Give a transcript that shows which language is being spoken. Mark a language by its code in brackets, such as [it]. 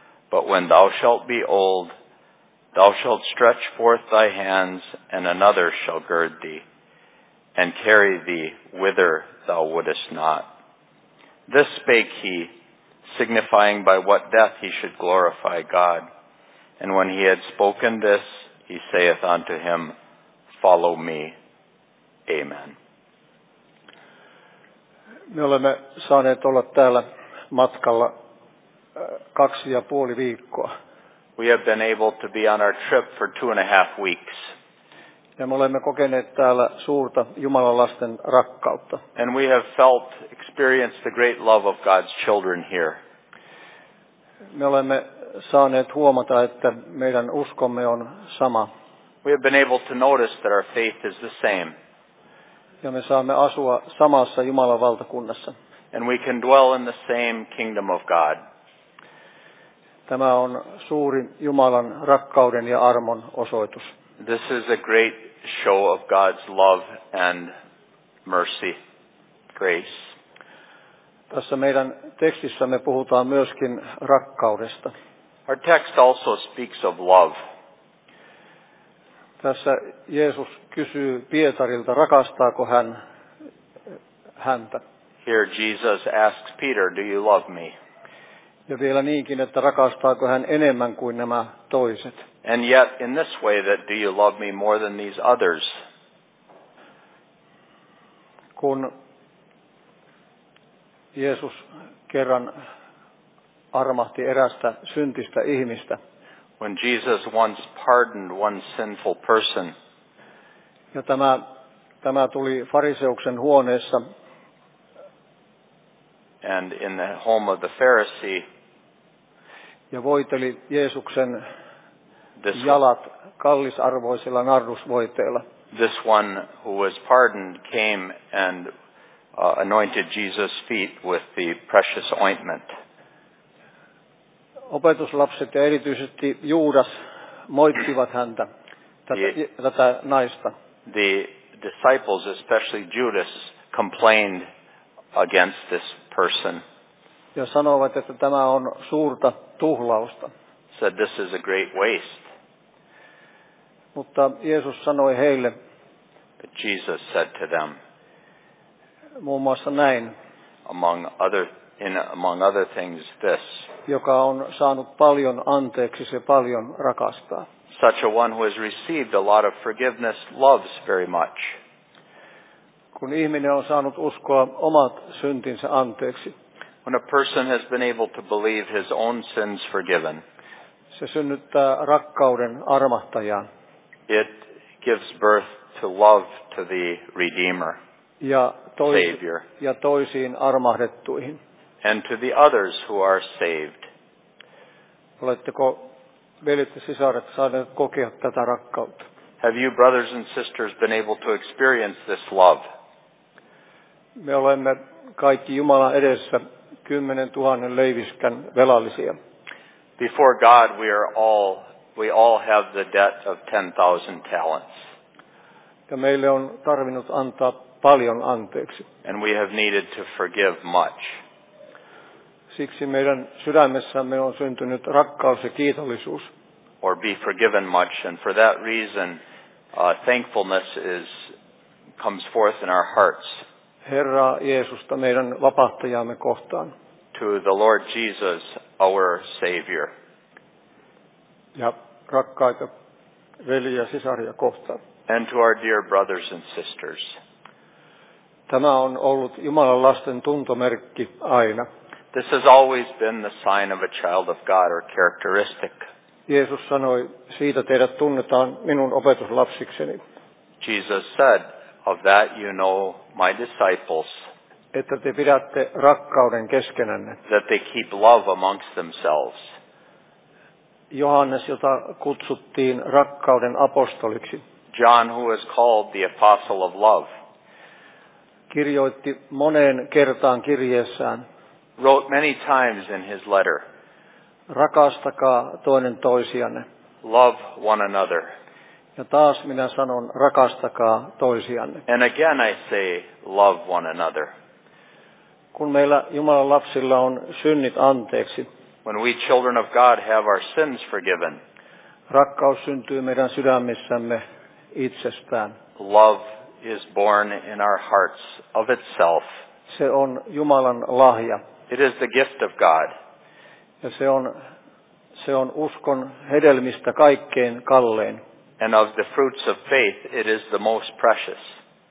[en] But when thou shalt be old, thou shalt stretch forth thy hands, and another shall gird thee, and carry thee whither thou wouldest not. This spake he, signifying by what death he should glorify God. And when he had spoken this, he saith unto him, Follow me. Amen. [fi] Me olemme saaneet olla täällä matkalla 2.5 viikkoa. [en] We have been able to be on our trip for 2.5 weeks. [fi] Ja me olemme kokeneet täällä suurta Jumalan lasten rakkautta. [en] And we have experienced the great love of God's children here. [fi] Me olemme saaneet huomata, että meidän uskomme on sama. [en] We have been able to notice that our faith is the same. [fi] Ja me saamme asua samassa Jumalan valtakunnassa. [en] And we can dwell in the same kingdom of God. [fi] Tämä on suuri Jumalan rakkauden ja armon osoitus. [en] This is a great show of God's love and mercy, grace. [fi] Tässä meidän tekstissämme puhutaan myöskin rakkaudesta. [en] Our text also speaks of love. [fi] Tässä Jeesus kysyy Pietarilta, rakastaako hän häntä. [en] Here Jesus asks Peter, do you love me? [fi] Ja vielä niinkin, että rakastaako hän enemmän kuin nämä toiset. [en] And yet in this way that do you love me more than these others? [fi] Kun Jeesus kerran armahti erästä syntistä ihmistä. [en] When Jesus once pardoned one sinful person. [fi] Ja tämä tuli fariseuksen huoneessa. [en] And in the home of the Pharisee. [fi] Ja voiteli Jeesuksen jalat kallisarvoisilla nardusvoiteilla. [en] This one who was pardoned came and anointed Jesus' feet with the precious ointment. [fi] Opetuslapset ja erityisesti Juudas moittivat häntä, tätä naista. [en] The disciples, especially Judas, complained against this person. [fi] Ja sanovat, että tämä on suurta tuhlausta. [en] Said this is a great waste. [fi] Mutta Jeesus sanoi heille. [en] But Jesus said to them. [fi] Muun muassa näin. [en] Among other things this. [fi] Joka on saanut paljon anteeksi, se paljon rakastaa. [en] Such a one who has received a lot of forgiveness loves very much. [fi] Kun ihminen on saanut uskoa omat syntinsä anteeksi. [en] When a person has been able to believe his own sins forgiven, [fi] se synnyttää rakkauden armahtajaan. [en] It gives birth to love to the Redeemer, Savior, [fi] ja toisiin armahdettuihin. [en] And to the others who are saved. [fi] Oletteko veljet ja sisaret saaneet kokea tätä rakkautta? [en] Have you, brothers and sisters, been able to experience this love? [fi] Me olemme kaikki Jumalan edessä 10,000 leiviskän velallisia. [en] Before God we all have the debt of 10,000 talents. [fi] Ja meille on tarvinnut antaa paljon anteeksi. [en] And we have needed to forgive much. [fi] Siksi meidän sydämessämme on syntynyt rakkaus ja kiitollisuus. [en] Or be forgiven much, and for that reason, thankfulness comes forth in our hearts. [fi] Herra Jeesusta, meidän vapahtajamme kohtaan. [en] To the Lord Jesus, our Savior. [fi] Ja rakkaita veljiä ja sisaria kohtaan. [en] And to our dear brothers and sisters. [fi] Tämä on ollut Jumalan lasten tuntomerkki aina. [en] This has always been the sign of a child of God or characteristic. [fi] Jeesus sanoi, siitä teidät tunnetaan minun opetuslapsikseni. [en] Jesus said, of that you know my disciples. [fi] Että te pidätte rakkauden keskenänne. [en] That they keep love amongst themselves. [fi] Johannes, jota kutsuttiin rakkauden apostoliksi. [en] John, who was called the apostle of love. [fi] Kirjoitti moneen kertaan kirjeessään. [en] Wrote many times in his letter. [fi] Rakastakaa toinen toisianne. [en] Love one another. [fi] Ja taas minä sanon, rakastakaa toisianne. [en] And again I say, love one another. [fi] Kun meillä Jumalan lapsilla on synnit anteeksi. [en] When we children of God have our sins forgiven. [fi] Rakkaus syntyy meidän sydämissämme itsestään. [en] Love is born in our hearts of itself. [fi] Se on Jumalan lahja. [en] It is the gift of God. [fi] Ja se on uskon hedelmistä kaikkein kallein. [en] And of the fruits of faith, it is the most precious.